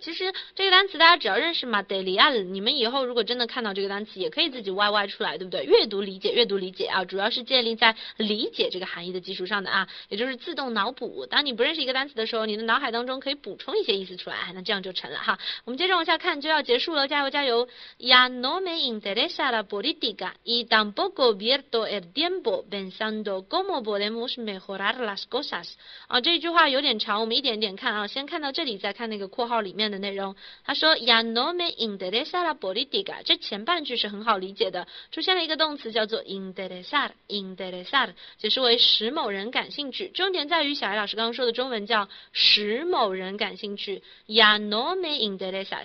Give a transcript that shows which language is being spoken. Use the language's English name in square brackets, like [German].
[Chinese] 其实这个单词大家只要认识 material，你们以后如果真的看到这个单词，也可以自己 YY 出来，对不对？阅读理解，阅读理解啊，主要是建立在理解这个含义的基础上的啊，也就是自动脑补。当你不认识一个单词的时候，你脑海当中可以补充一些意思出来，那这样就成了哈。我们接着往下看，就要结束了，加油加油！ [Spanish] Ya no me interesa la política y tampoco pierdo el tiempo pensando cómo podemos mejorar las cosas。 [Chinese] 这一句话有点长，我们一点点看啊，先看到这里，再看那个括号里面的内容。他说 [Spanish] Ya no me interesa la política， [Chinese] 这前半句是很好理解的，出现了一个动词叫做 interesar，解释为使某人感兴趣。重点在于小艾老师刚刚说的中文叫使某人感兴趣， [Spanish] ya no me interesa。